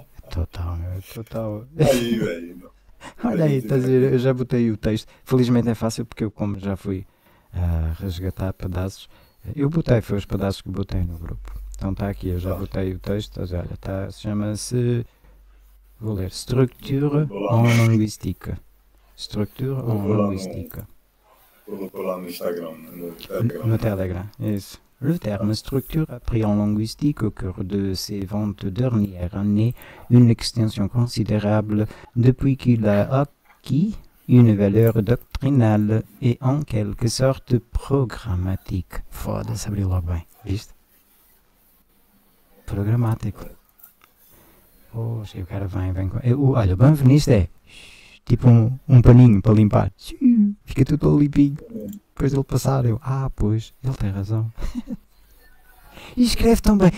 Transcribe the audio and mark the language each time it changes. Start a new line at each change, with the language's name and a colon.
Portuguese: Total, meu, é total. Aí, velho, Olha aí, estás a ver? Eu já botei o texto. Felizmente é fácil porque eu, como já fui resgatar pedaços, eu botei, foi os pedaços que botei no grupo. Então está aqui, eu já botei o texto, estás a ver? Tá, chama-se. Vou ler.
French: Structure en linguistique. Structure en linguistique.
Portuguese: Vou lá no Instagram, no No Telegram, né? Telegram, isso.
French: Le terme structure a pris en linguistique au cœur de ses 20 dernières années une extension considérable depuis qu'il a acquis une valeur doctrinale et en quelque sorte programmatique.
Portuguese: Foda-se, abri logo bem, viste? Programmático. Oxe, o cara vem com. Olha, o Benveniste é. tipo um paninho para limpar. Fica tudo limpinho. Depois ele passar, eu, ah, pois, ele tem razão. E escreve tão bem.